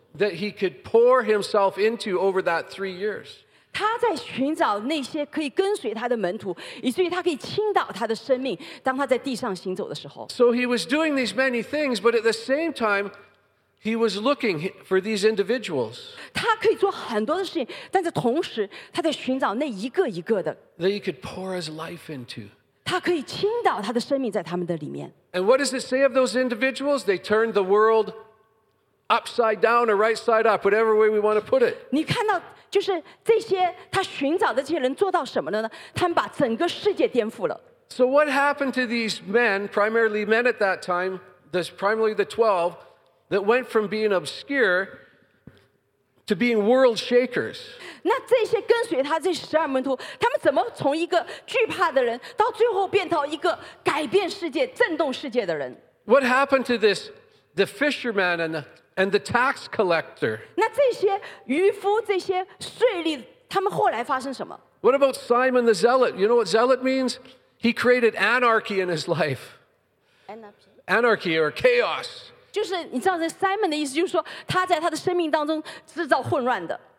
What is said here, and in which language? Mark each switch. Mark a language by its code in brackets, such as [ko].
[en] That he could pour himself into over that 3 years. [zh] 他在寻找那些可以跟随他的门徒，以至于他可以倾倒他的生命。当他在地上行走的时候 [en] ，So he was doing these many things, but at the same time, he was looking for these individuals. [zh] 他可以做很多的事情，但在同时，他在寻找那一个一个的。 [en] That he could pour his life into. [zh] 他可以倾倒他的生命在他们的里面。 [en] And what does it say of those individuals? They turned the world. Upside down or right side up, whatever way we want to put it. [zh] 你看到就是这些他寻找的这些人做到什么了呢？他们把整个世界颠覆了。 [en] So what happened to these men, primarily men at that time, primarily the 12, that went from being obscure to being world shakers? [zh] 那这些跟随他这十二门徒，他们怎么从一个惧怕的人到最后变到一个改变世界、震动世界的人？ [en] What happened to this, the fisherman and the... And the tax collector. [zh] 那这些渔夫，这些税吏，他们后来发生什么？ [en] What about Simon the Zealot? You know what zealot means? He created anarchy in his life. Anarchy or chaos. [zh] 就是你知道这 Simon 的意思，就是说他在他的生命当中制造混乱的。